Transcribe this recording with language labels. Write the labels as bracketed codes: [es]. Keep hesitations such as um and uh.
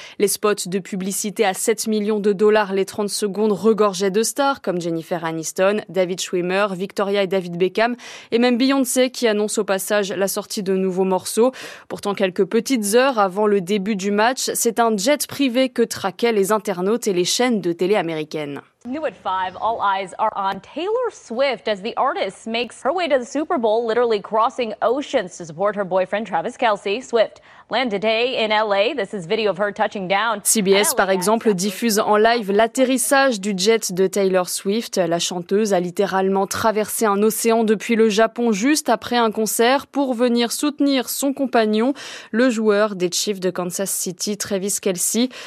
[fr] Les spots de publicité à 7 millions de dollars les 30 secondes regorgeaient de stars comme Jennifer Aniston, David Schwimmer, Victoria et David Beckham et même Beyoncé qui annonce au passage la sortie de nouveaux morceaux. Pourtant, quelques petites heures avant le début du match, c'est un jet privé que traquaient les internautes et les chaînes de télé américaines. [en] New at five, all eyes are on Taylor Swift as the artist makes her way to the Super Bowl, literally crossing oceans to support her boyfriend Travis Kelsey. Swift land today in LA. This is video of her touching down. [fr] CBS, par exemple, diffuse en live l'atterrissage du jet de Taylor Swift. La chanteuse a littéralement traversé un océan depuis le Japon juste après un concert pour venir soutenir son compagnon, le joueur des Chiefs de Kansas City, Travis Kelsey.